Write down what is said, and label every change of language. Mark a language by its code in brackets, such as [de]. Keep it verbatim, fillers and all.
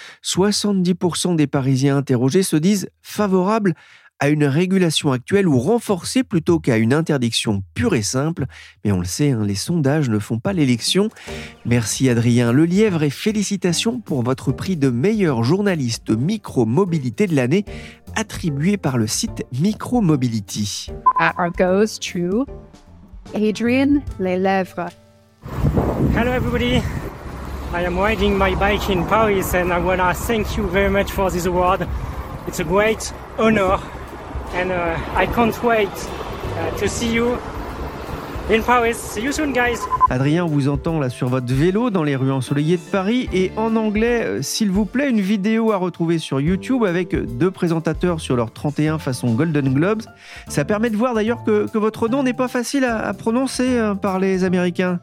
[fr] soixante-dix pour cent des Parisiens interrogés se disent favorables à une régulation actuelle ou renforcée plutôt qu'à une interdiction pure et simple. Mais on le sait, hein, les sondages ne font pas l'élection. Merci Adrien Lelièvre et félicitations pour votre prix de meilleur journaliste micro-mobilité de l'année attribué par le site Micromobility. [en] Our goes to Adrien Lelièvre. Hello everybody, I am riding my bike in Paris and I want to thank you very much for this award. It's a great honor. And uh, I can't wait uh, to see you in Paris. See you soon, guys. [fr] Adrien vous entend là sur votre vélo dans les rues ensoleillées de Paris et en anglais, euh, s'il vous plaît, une vidéo à retrouver sur YouTube avec deux présentateurs sur leurs trente et un façon Golden Globes. Ça permet de voir d'ailleurs que, que votre nom n'est pas facile à, à prononcer euh, par les Américains.